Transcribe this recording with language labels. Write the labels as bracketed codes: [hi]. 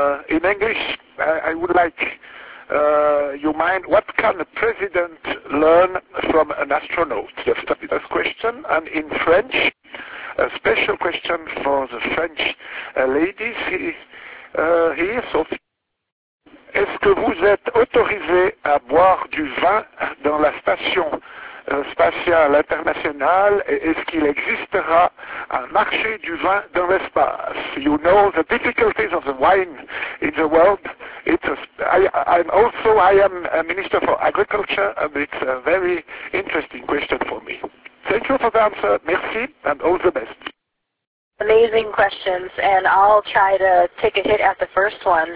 [en] In English, I would like you mind, what can a president learn from an astronaut? That's the first question. And in French, a special question for the French ladies here. [fr] So, est-ce que vous êtes autorisé à boire du vin dans la station spatial international, est-ce qu'il existera un marché du vin dans l'espace? [en] You know the difficulties of the wine in the world. I am a minister for agriculture, and it's a very interesting question for me. Thank you for the answer. Merci, and all the best. Amazing questions, and I'll try to take a hit at the first one.